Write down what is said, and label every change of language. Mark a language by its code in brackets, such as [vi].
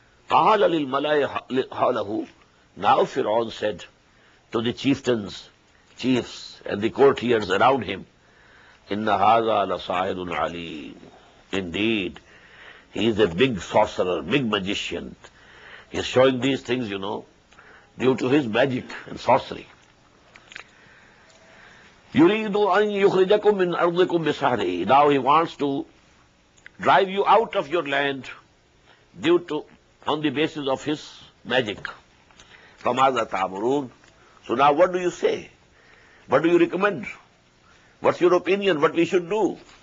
[ar] قَالَ لِلْمَلَأِ حَوْلَهُ. [en] Now Fir'aun said to the chieftains, chiefs and the courtiers around him, [ar] إِنَّ هَذَا لَصَاحِرٌ عَلِيمٌ. [en] Indeed, he is a big sorcerer, big magician. He is showing these things, you know, due to his magic and sorcery. [ar] يُرِيدُ أَن يُخْرِجَكُم مِّنْ أَرْضِكُم بِسَحْرِهِ. [en] Now he wants to drive you out of your land due to on the basis of his magic. [ar] فَمَاذَا تَعْمُرُونَ. [en] So now what do you say? What do you recommend? What's your opinion? What we should do?